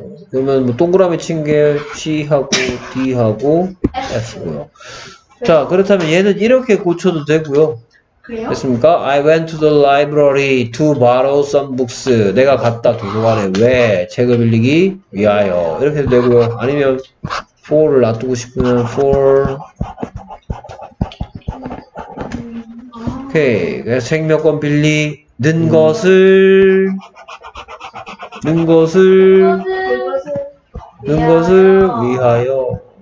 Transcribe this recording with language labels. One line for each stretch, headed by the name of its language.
Korean: 그러면 뭐 동그라미 친 게 C하고 D하고 F고요. 자, 그렇다면 얘는 이렇게 고쳐도 되고요. 그래요? 됐습니까?
English: I went to the library to borrow some books.
Korean: 내가 갔다 도서관에 왜 책을 빌리기 위하여. 이렇게 해도 되고요. 아니면 for를 놔두고 싶으면 for. 오케이. 그래서 책 몇 권 빌리는 것을 는 것을 위하여.